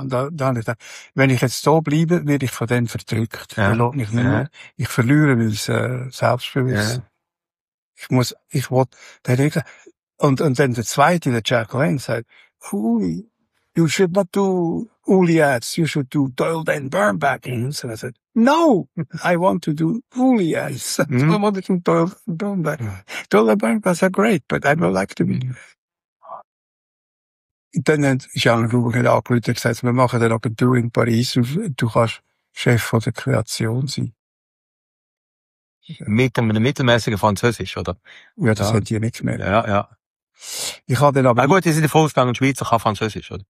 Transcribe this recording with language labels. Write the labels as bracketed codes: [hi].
[de] Und dann ich gedacht, wenn ich jetzt so bleibe, werde ich von denen verdrückt. Ja. Der lohnt mich nicht mehr. Ja. Ich verliere mein Selbstbewusstsein. Ja. [en] Der hat gesagt, Und dann der zweite, der Jack Lane, sagt, Uli, you should not do Uli ads, you should do Doyle Den Birnbach. Mm-hmm. And I said, no, I want to do Uli ads. Mm-hmm. I want to do Doyle Den Birnbach. Doyle Den Birnbach are great, but I don't like to be. [de] Dann hat Jean Rubin angerufen und gesagt, wir machen eine Agentur in Paris und du kannst Chef von der Kreation sein. Mit einem mittelmäßigen Französisch, oder? Ja, das haben die nicht gemerkt. Ja. Ich habe dann aber... Na gut, die sind voll gegangen, Schweizer kann Französisch, oder?